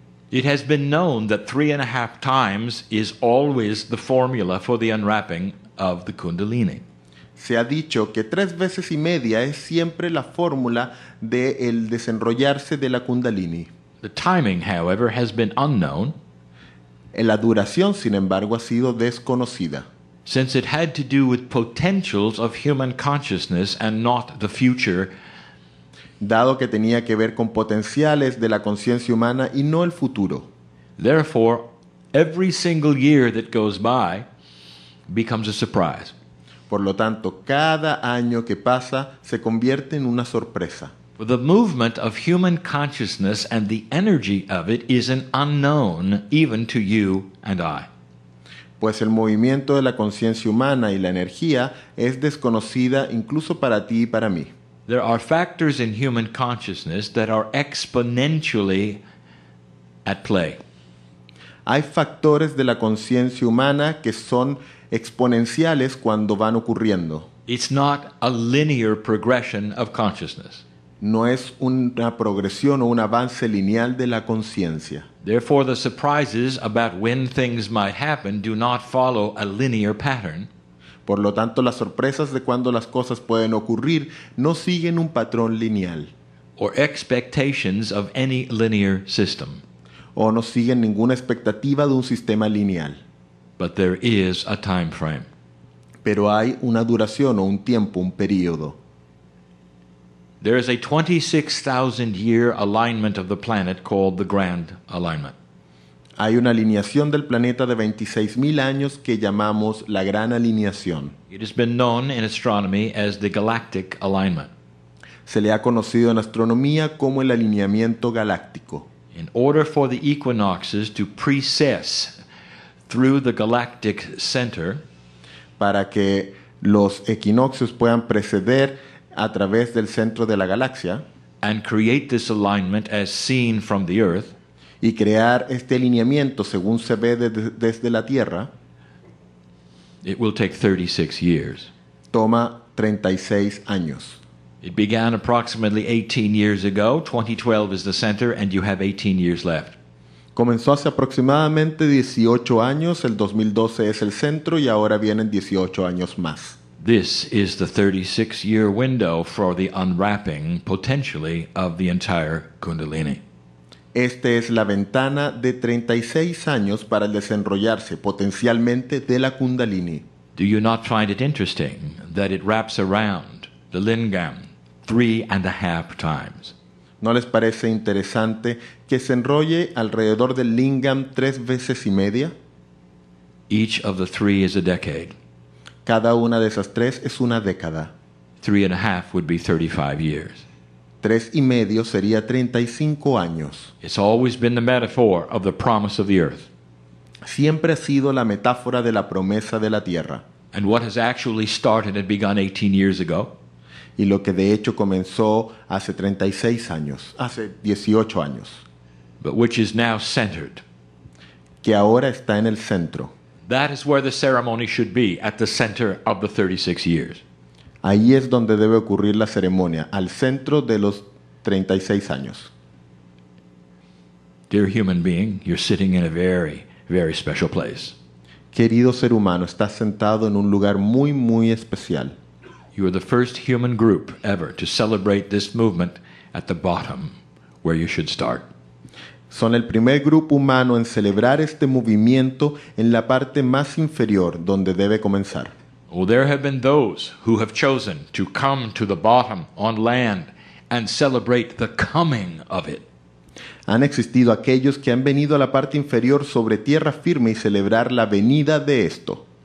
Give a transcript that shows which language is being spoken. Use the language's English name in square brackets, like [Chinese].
[English] It has been known that 3.5 times is always the formula for the unwrapping of the Kundalini. [Spanish] Se ha dicho que 3.5 es siempre la fórmula de el desenrollarse de la Kundalini. [English] The timing, however, has been unknown. [Spanish] La duración, sin embargo, ha sido desconocida. [English] Since it had to do with potentials of human consciousness and not the future. [Spanish] Dado que tenía que ver con potenciales de la conciencia humana y no el futuro. [English] Therefore, every single year that goes by becomes a surprise. [Spanish] Por lo tanto, cada año que pasa se convierte en una sorpresa. [English] For the movement of human consciousness and the energy of it is an unknown even to you and I. [Spanish] Pues el movimiento de la conciencia humana y la energía es desconocida incluso para ti y para mí. [English] There are factors in human consciousness that are exponentially at play. [Spanish] Hay factores de la conciencia humana que son exponenciales cuando van ocurriendo. [English] It's not a linear progression of consciousness. [Spanish] No es una progresión o un avance lineal de la conciencia. [English] Therefore, the surprises about when things might happen do not follow a linear pattern. [Spanish] Por lo tanto, las sorpresas de cuando las cosas pueden ocurrir no siguen un patrón lineal. [English] Or expectations of any linear system. [Spanish] O no siguen ninguna expectativa de un sistema lineal. [English] But there is a time frame. [Spanish] Pero hay una duración o un tiempo, un periodo. [English] There is a 26,000-year alignment of the planet called the Grand Alignment. [Spanish] Hay una alineación del planeta de 26,000 años que llamamos la Gran Alineación. [English] It has been known in astronomy as the Galactic Alignment. [Spanish] Se le ha conocido en astronomía como el alineamiento galáctico. [English] In order for the equinoxes to precess through the galactic center, [Spanish] para que los equinoccios puedan preceder a través del centro de la galaxia, [English] and create this alignment as seen from the Earth, [Spanish] y crear este alineamiento según se ve desde la Tierra, [English] it will take 36 years. [Spanish] Toma 36 años. [English] It began approximately 18 years ago. 2012 is the center, and you have 18 years left. [Spanish] Comenzó hace aproximadamente 18 años. El 2012 es el centro, y ahora vienen 18 años más. [English] This is the 36-year window for the unwrapping, potentially, of the entire Kundalini. [Spanish] Esta es la ventana de 36 años para el desenrollarse potencialmente de la Kundalini. [English] Do you not find it interesting that it wraps around the lingam 3.5 times? [Spanish] ¿No les parece interesante que se enrolle alrededor del lingam 3.5? [English] Each of the three is a decade. [Spanish] Cada una de esas tres es una década. [English] 3.5 would be 35 years. [Spanish] 3.5 sería 35 años. [English] It's always been the metaphor of the promise of the earth. [Spanish] Siempre ha sido la metáfora de la promesa de la tierra. [English] And what has actually started and begun 18 years ago. [Spanish] Y lo que de hecho comenzó hace 36 años, hace 18 años. [English] But which is now centered. [Spanish] Que ahora está en el centro. [English] That is where the ceremony should be, at the center of the 36 years. [Spanish] Ahí es donde debe ocurrir la ceremonia, al centro de los 36 años. [English] Dear human being, you're sitting in a very, very special place. [Spanish] Querido ser humano, estás sentado en un lugar muy, muy especial. [English] You are the first human group ever to celebrate this movement at the bottom, where you should start. [Spanish] Son el primer grupo humano en celebrar este movimiento en la parte más inferior, donde debe comenzar. [English] Oh, there have been those who have chosen to come to the bottom on land and celebrate the coming of it. [Spanish] Han existido aquellos que han venido a la parte inferior sobre tierra firme y celebrar la venida de esto.